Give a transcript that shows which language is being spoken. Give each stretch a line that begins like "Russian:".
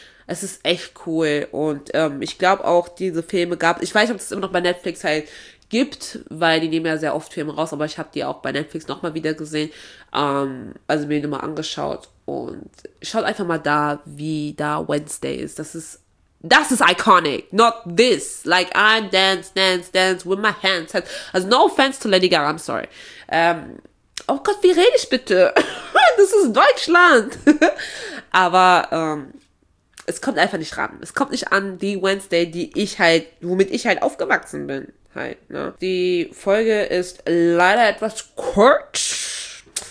German: Es ist echt cool und ich glaube auch, diese Filme gab, ich weiß nicht, ob es immer noch bei Netflix halt gibt, weil die nehmen ja sehr oft Filme raus, aber ich habe die auch bei Netflix nochmal wieder gesehen, also mir nochmal angeschaut und schaut einfach mal da, wie da Wednesday ist. Das ist
English: iconic, not this, like I'm dance with my hands, also no offense to Lady Gaga, I'm sorry.
German: Oh Gott, wie rede ich bitte? Das ist Deutschland! Aber es kommt einfach nicht ran. Es kommt nicht an die Wednesday, womit ich halt aufgewachsen bin. Halt, ne? Die Folge ist leider etwas kurz.